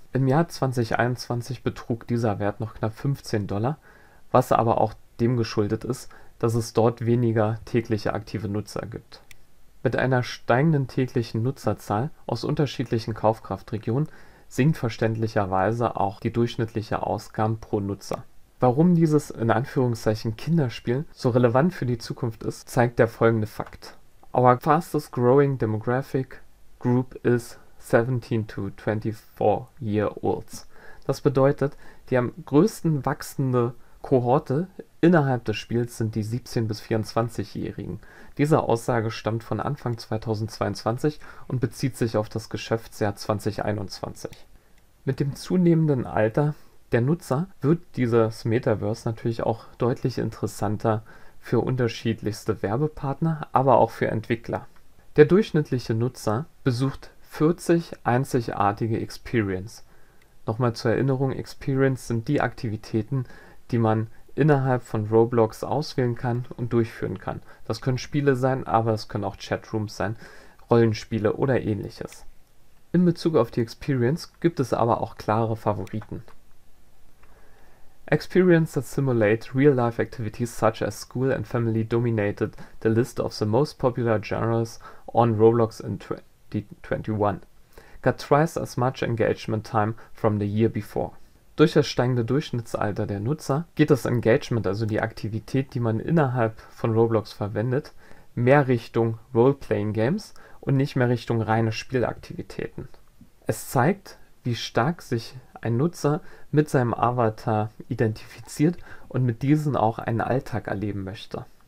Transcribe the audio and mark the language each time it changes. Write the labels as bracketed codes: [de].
[de] Im Jahr 2021 betrug dieser Wert noch knapp 15 Dollar, was aber auch dem geschuldet ist, dass es dort weniger tägliche aktive Nutzer gibt. Mit einer steigenden täglichen Nutzerzahl aus unterschiedlichen Kaufkraftregionen sinkt verständlicherweise auch die durchschnittliche Ausgabe pro Nutzer. Warum dieses in Anführungszeichen Kinderspiel so relevant für die Zukunft ist, zeigt der folgende Fakt. [en] Our fastest growing demographic group is 17 to 24 year olds. [de] Das bedeutet, die am größten wachsende Kohorte innerhalb des Spiels sind die 17- bis 24-Jährigen. Diese Aussage stammt von Anfang 2022 und bezieht sich auf das Geschäftsjahr 2021. Mit dem zunehmenden Alter der Nutzer wird dieses Metaverse natürlich auch deutlich interessanter für unterschiedlichste Werbepartner, aber auch für Entwickler. Der durchschnittliche Nutzer besucht 40 einzigartige Experience. Nochmal zur Erinnerung, Experience sind die Aktivitäten, die man innerhalb von Roblox auswählen kann und durchführen kann. Das können Spiele sein, aber es können auch Chatrooms sein, Rollenspiele oder ähnliches. In Bezug auf die Experience gibt es aber auch klare Favoriten. [en] Experience that simulate real-life activities such as school and family dominated the list of the most popular genres on Roblox in 2021. Got twice as much engagement time from the year before. [de] Durch das steigende Durchschnittsalter der Nutzer geht das Engagement, also die Aktivität, die man innerhalb von Roblox verwendet, mehr Richtung Role-Playing Games und nicht mehr Richtung reine Spielaktivitäten. Es zeigt, wie stark sich ein Nutzer mit seinem Avatar identifiziert und mit diesen auch einen Alltag erleben möchte.